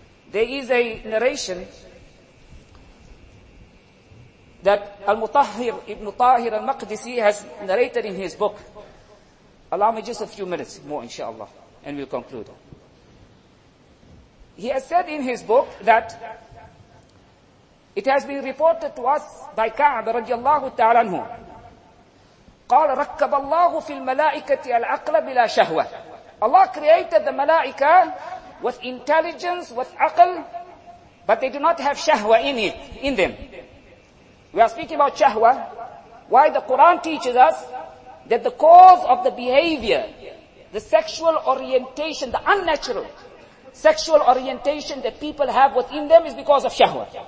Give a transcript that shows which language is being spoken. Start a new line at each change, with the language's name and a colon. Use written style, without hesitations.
English: There is a narration that Al-Mutahhir Ibn Tahir Al-Maqdisi has narrated in his book. Allow me just a few minutes more, inshallah, and we'll conclude. He has said in his book that it has been reported to us by Ka'ab radiallahu ta'ala anhu.
Arabic: قال ركب الله في الملائكة العقل بلا شهوة.
English: Allah created the malaika with intelligence, with aql, but they do not have shahwa in it, in them. We are speaking about shahwa. Why? The Quran teaches us that the cause of the behavior, the sexual orientation, the unnatural sexual orientation that people have within them is because of shahwa.